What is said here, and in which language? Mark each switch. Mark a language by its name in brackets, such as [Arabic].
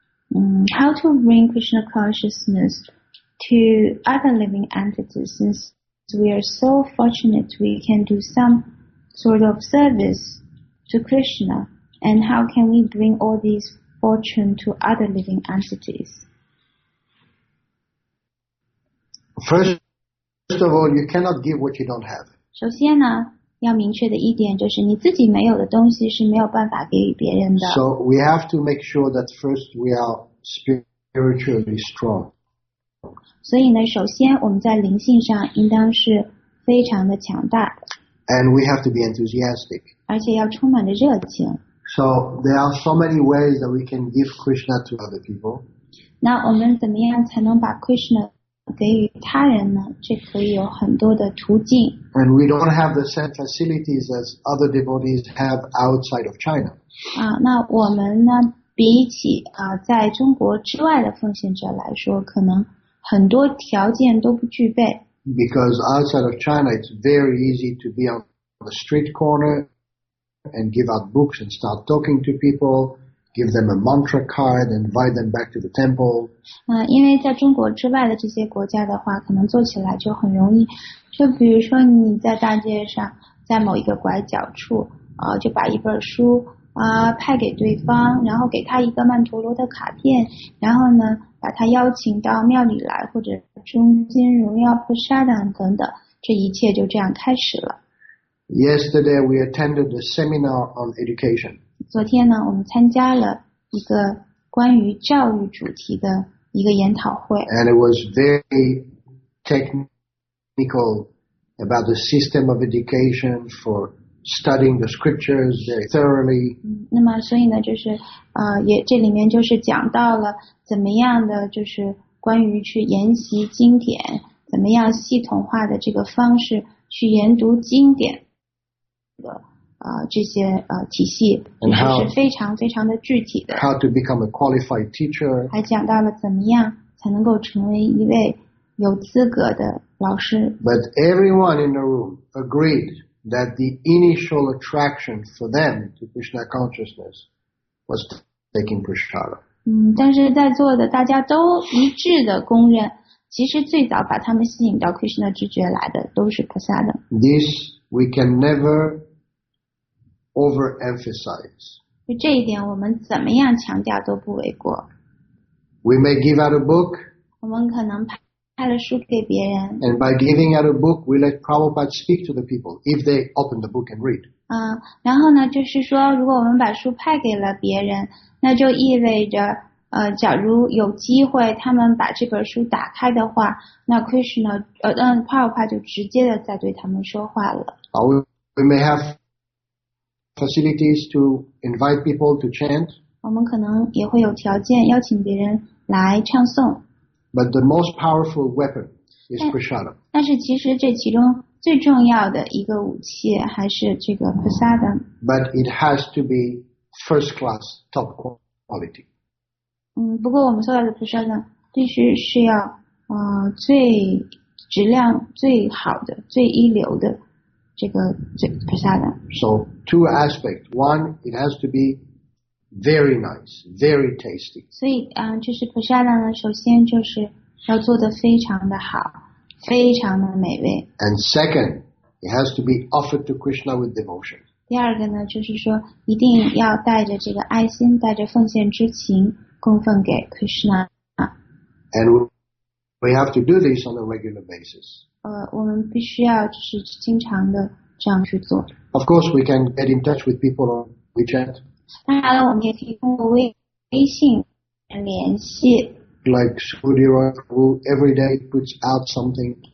[English] How to bring Krishna consciousness to other living entities, since we are so fortunate we can do some sort of service to Krishna, and how can we bring all these fortune to other living entities? First of all, you cannot give what you don't have. [Chinese] 首先呢，要明确的一点就是你自己没有的东西是没有办法给予别人的。 [English] So we have to make sure that first we are spiritually strong. [Chinese] 所以呢，首先我们在灵性上应当是非常的强大。 [English] And we have to be enthusiastic. [Chinese] 而且要充满着热情。 [English] So there are so many ways that we can give Krishna to other people. [Chinese] 那我们怎么样才能把 Krishna给予他人呢？这可以有很多的途径。 [English] And we don't have the same facilities as other devotees have outside of China. [Chinese] 那我们呢？比起在中国之外的奉献者来说，可能很多条件都不具备。 [English] Because outside of China, it's very easy to be on the street corner and give out books and start talking to people, give them a mantra card, invite them back to the temple. [Chinese] 因为在中国之外的这些国家的话，可能做起来就很容易。就比如说你在大街上，在某一个拐角处，就把一本书派给对方，然后给他一个曼陀罗的卡片，然后呢，把他邀请到庙里来，或者中金荣耀菩萨等等，这一切就这样开始了。 [English] Yesterday we attended a seminar on education. [Chinese] 昨天呢，我们参加了一个关于教育主题的一个研讨会。 [English] And it was very technical about the system of education for studying the scriptures very thoroughly. [Chinese] 那么所以呢，就是也这里面就是讲到了怎么样的，就是关于去研习经典，怎么样系统化的这个方式去研读经典的这些体系，就是非常非常的具体的。 [English] How to become a qualified teacher. [Chinese] 还讲到了怎么样才能够成为一位有资格的老师。 [English] But everyone in the room agreed that the initial attraction for them to Krishna consciousness was taking prasada. [Chinese] 但是在座的大家都一致的公认，其实最早把他们吸引到 Krishna 直觉来的都是 prasada。 [English] This we can never overemphasize. [Chinese] 就这一点，我们怎么样强调都不为过。 [English] We may give out a book. [Chinese] 我们可能派了书给别人。 [English] And by giving out a book, we let Prabhupada speak to the people if they open the book and read. [Chinese] 然后呢，就是说，如果我们把书派给了别人，那就意味着，假如有机会他们把这本书打开的话，那 Krishna, Prabhupada 就直接的在对他们说话了。 [English] We may have facilities to invite people to chant. [Chinese] 我们可能也会有条件邀请别人来唱诵。 [English] But the most powerful weapon is prasada. [Chinese] 但是其实这其中最重要的一个武器还是这个 prasada. [English] But it has to be first class, top quality. [Chinese] 不过我们所有的 prasada 必须是要最质量最好的、最一流的这个 prasada. [English] So two aspects. One, it has to be very nice, very tasty. [Chinese] 所以，就是 prasada 呢，首先就是要做得非常的好，非常的美味。 [English] And second, it has to be offered to Krishna with devotion. [Chinese] 第二个呢，就是说一定要带着这个爱心，带着奉献之情，供奉给 Krishna. [English] And we have to do this on a regular basis. [Chinese] 我们必须要就是经常的这样去做。 [English] Of course, we can get in touch with people on WeChat. [Chinese] 当然了，我们也可以通过微信联系。 [English] Like Subhuti Roy, who every day puts out something.